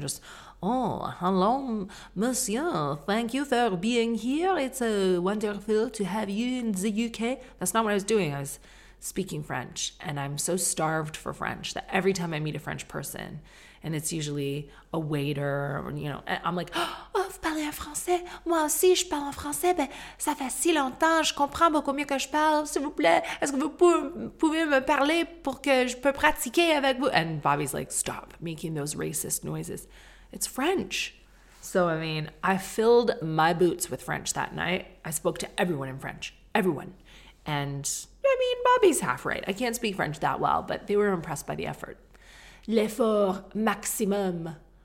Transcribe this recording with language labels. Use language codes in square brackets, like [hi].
[en] Just, oh, hello, monsieur. Thank you for being here. It's wonderful to have you in the UK. That's not what I was doing. I was speaking French, and I'm so starved for French that every time I meet a French person, and it's usually a waiter, or, you know, I'm like, oh, [fr] vous parlez en français? Moi aussi, je parle en français, mais ça fait si longtemps, je comprends beaucoup mieux que je parle, s'il vous plaît. Est-ce que vous pouvez me parler pour que je peux pratiquer avec vous? [en] And Bobby's like, stop making those racist noises. It's French. So, I mean, I filled my boots with French that night. I spoke to everyone in French, everyone. And, I mean, Bobby's half right. I can't speak French that well, but they were impressed by the effort. [fr] L'effort maximum.